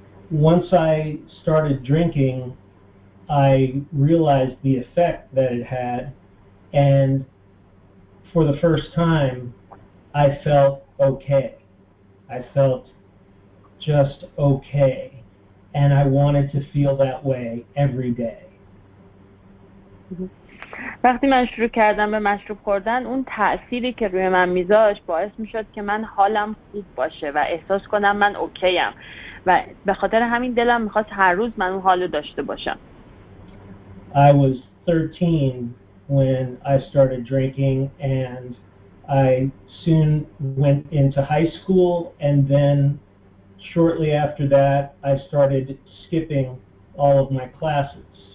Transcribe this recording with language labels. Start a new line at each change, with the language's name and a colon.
English: Once I started drinking, I realized the effect that it had, and for the first time, I felt okay. I felt just okay, and I wanted to feel that way every day.
Persian: وقتی من شروع کردم به مشروب خوردن، اون تأثیری که روی من میذاشت باعث میشد که من حالم خوب باشه و احساس کنم من اوکیم و به خاطر همین دلم میخواست هر روز من اون حالو داشته باشم.
English: I was 13 when I started drinking, and I soon went into high school, and then shortly after that, I started skipping all of my classes.